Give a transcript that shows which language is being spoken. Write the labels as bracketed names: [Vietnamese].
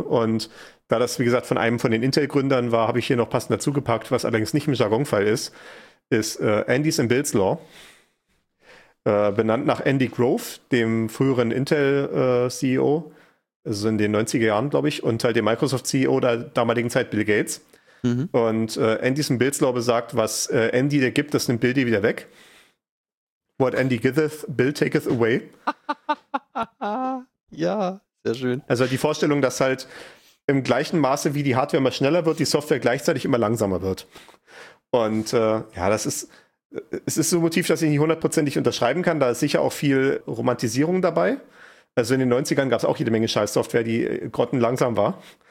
[German] Und da das, wie gesagt, von einem von den Intel-Gründern war, habe ich hier noch passend dazu gepackt, was allerdings nicht im Jargonfall ist Andy's and Bill's Law, benannt nach Andy Grove, dem früheren Intel-CEO, also in den 90er Jahren, glaube ich, und halt dem Microsoft-CEO der damaligen Zeit, Bill Gates. Mhm. Und Andy's and Bill's Law besagt, was Andy dir gibt, das nimmt Bill dir wieder weg. [English] What Andy giveth, Bill taketh away. [German] Ja, sehr schön. Also die Vorstellung, dass halt im gleichen Maße, wie die Hardware immer schneller wird, die Software gleichzeitig immer langsamer wird. Und es ist so ein Motiv, dass ich nicht hundertprozentig unterschreiben kann. Da ist sicher auch viel Romantisierung dabei. Also in den 90ern gab es auch jede Menge Scheiß-Software, die grottenlangsam war.